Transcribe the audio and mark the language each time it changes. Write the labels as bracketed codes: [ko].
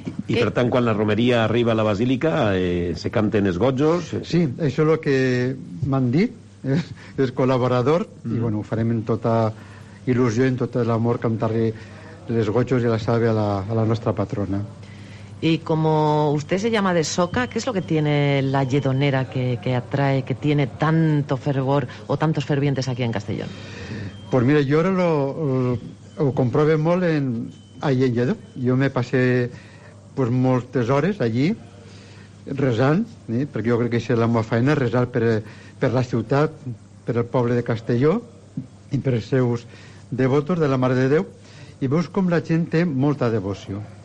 [ca] I per tant, quan la romeria arriba a la Basílica, se canten els gojos... Sí, això és el que m'han dit, és col·laborador, i bueno, ho farem en tota il·lusió, en tot l'amor, cantar-li els gojos i la salve a la nostra patrona. [es] Y como usted se llama de Soca, ¿qué es lo que tiene la lledonera que atrae, que tiene tanto fervor o tantos fervientes aquí en Castellón? Pues mira, yo ahora lo comprobé molt allí en Lledó. Yo me pasé [ca] pues moltes hores allí resant, perquè jo crec que és la meva feina, resar per la ciutat, per el poble de Castelló i per els seus devotos de la Mare de Déu, i veus com la gent té molta devoció.